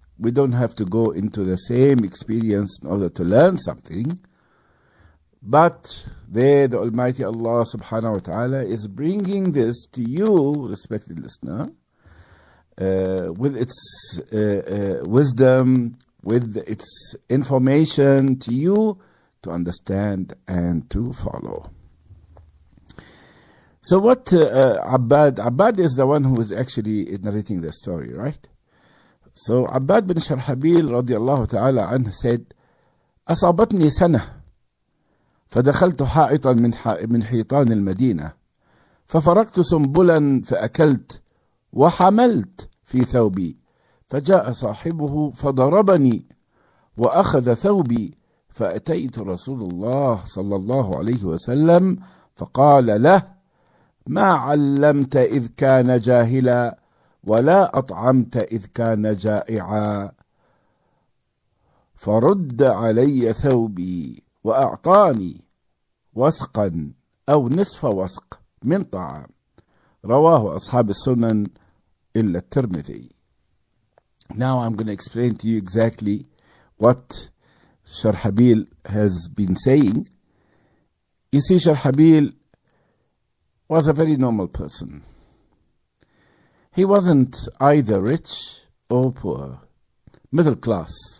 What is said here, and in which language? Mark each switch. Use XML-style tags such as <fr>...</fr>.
<en>We don't have to go into the same experience in order to learn something, but there the Almighty Allah subhanahu wa ta'ala is bringing this to you, respected listener, with its wisdom, with its information to you to understand and to follow. So what Abbad is the one who is actually narrating the story, right? So Abbad bin Sharhabil radiyallahu ta'ala anh said,</en> <ar>أصابتني سنة فدخلت حائطا من حيطان المدينة ففرقت سنبلا فأكلت وحملت في ثوبي فجاء صاحبه فضربني وأخذ ثوبي فأتيت رسول الله صلى الله عليه وسلم فقال له ما علمت إذ كان جاهلا ولا أطعمت إذ كان جائعا فرد علي ثوبي وأعطاني وسقا أو نصف وسق من طعام. رواه أصحاب السنن إلا الترمذي.</ar> <en>Now I'm going to explain to you exactly what Sharhabil has been saying, you see, Sheikh Habil was a very normal person. He wasn't either rich or poor, middle class.</en>